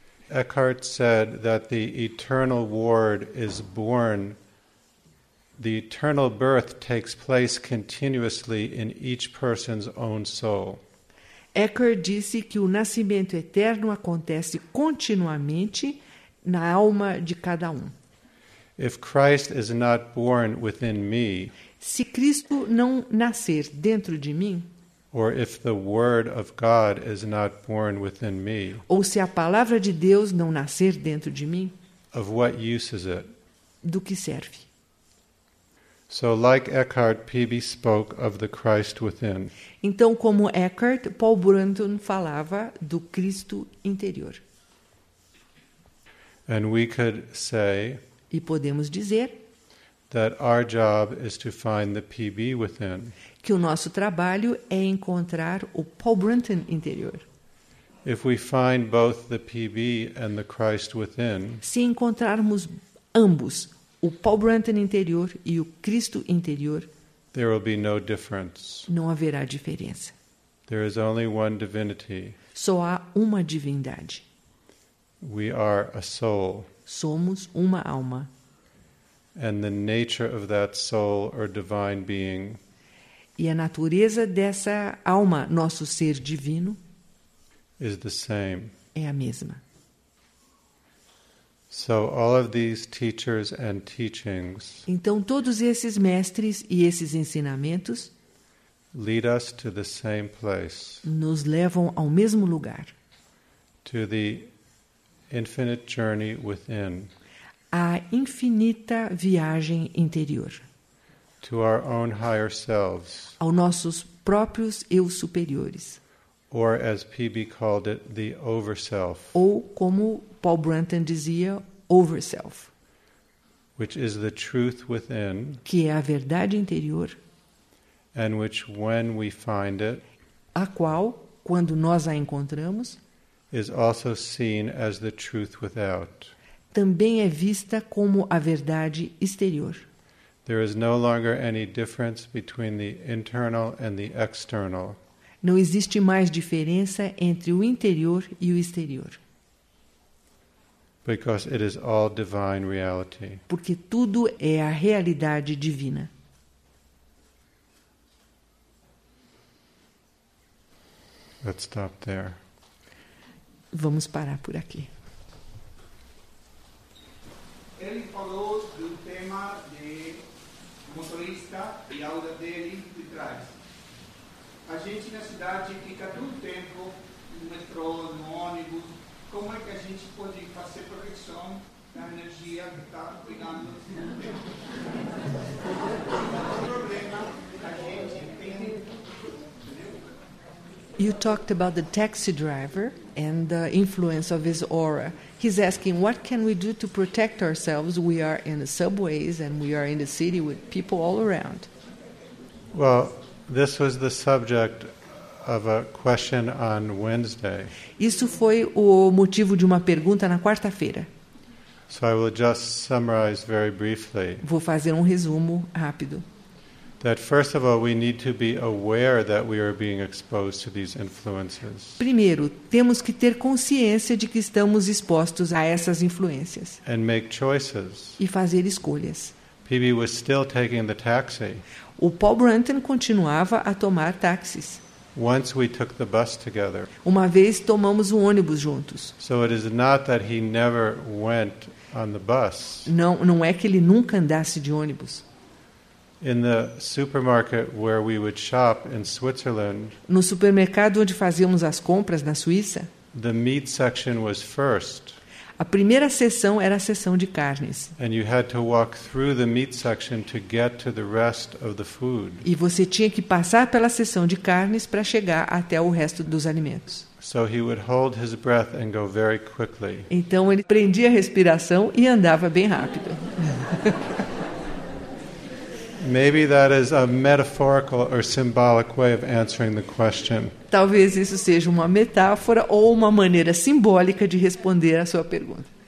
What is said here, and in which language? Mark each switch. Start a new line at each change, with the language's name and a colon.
English: Eckhart said that the eternal word is born. The eternal birth takes place continuously in each person's own soul.
Portuguese: Eckhart disse que o nascimento eterno acontece continuamente na alma de cada um.
English: If Christ is not born within me,
Portuguese: se Cristo não nascer dentro de mim,
English: or if the word of God is not born within me,
Portuguese: ou se a palavra de Deus não nascer dentro de mim,
English: of what use is it?
Portuguese: Do que serve?
English: So like Eckhart, P.B. spoke of the Christ within.
Portuguese: Então, como Eckhart, Paul Brunton falava do Cristo interior.
English: And we could say,
Portuguese: e podemos dizer,
English: that our job is to find the P.B. within.
Portuguese: Que o nosso trabalho é encontrar o Paul Brunton interior.
English: If we find both the P.B. and the Christ within,
Portuguese: se encontrarmos ambos, o Paul Brunton interior e o Cristo interior,
English: there will be no difference.
Portuguese: Não haverá diferença.
English: There is only one divinity.
Portuguese: Só há uma divindade.
English: We are a soul.
Portuguese: Somos uma alma.
English: And the nature of that soul or divine being,
Portuguese: e a natureza dessa alma, nosso ser divino,
English: is the same.
Portuguese: É a mesma.
English: So all of these teachers and teachings,
Portuguese: então todos esses mestres e esses ensinamentos,
English: lead us to the same place,
Portuguese: nos levam ao mesmo lugar,
English: to the infinite journey within,
Portuguese: à infinita viagem interior,
English: to our own higher selves,
Portuguese: aos nossos próprios eu superiores,
English: or as P.B. called it, the overself,
Portuguese: ou como Paul Brunton dizia, overself,
English: which is the truth within,
Portuguese: que é a verdade interior,
English: and which when we find it,
Portuguese: a qual quando nós a encontramos,
English: is also seen as the truth without,
Portuguese: também é vista como a verdade exterior.
English: There is no longer any difference between the internal and the external.
Portuguese: Não existe mais diferença entre o interior e o exterior.
English: Because it is all divine reality.
Portuguese: Porque tudo é a realidade divina.
English: Let's stop there.
Portuguese: Vamos parar por aqui. Ele falou do tema de motorista e aula dele de trás. A gente na cidade fica todo tempo no metrô, no ônibus. Como é que a gente pode fazer proteção da energia que está pegando?
English: You talked about the taxi driver and the influence of his aura. He's asking, what can we do to protect ourselves? We are in the subways and we are in the city with people all around. Well, this was the subject of a question on Wednesday.
Portuguese: Isso foi o motivo de uma pergunta na quarta-feira.
English: So I will just summarize very briefly.
Portuguese: Vou fazer resumo rápido.
English: That first of all, we need to be aware that we are being exposed to these influences.
Portuguese: Primeiro, temos que ter consciência de que estamos expostos a essas influências.
English: And make choices.
Portuguese: E fazer escolhas.
English: PB was still taking the taxi.
Portuguese: O Paul Brunton continuava a tomar táxis.
English: Once we took the bus together.
Portuguese: Uma vez tomamos o ônibus juntos.
English: So it is not that he never went on the bus.
Portuguese: Não é que ele nunca andasse de ônibus.
English: In the supermarket where we would shop in Switzerland.
Portuguese: No supermercado onde fazíamos as compras na Suíça.
English: The meat section was first.
Portuguese: A primeira seção era a seção de carnes.
English: And you had to walk through the meat section to get to the rest of the food.
Portuguese: E você tinha que passar pela seção de carnes para chegar até o resto dos alimentos.
English: So he would hold his breath and go very quickly.
Portuguese: Então ele prendia a respiração e andava bem rápido.
English: Maybe that is a metaphorical or symbolic way of answering the question.
Portuguese: Talvez isso seja uma metáfora ou uma maneira simbólica de responder à sua pergunta.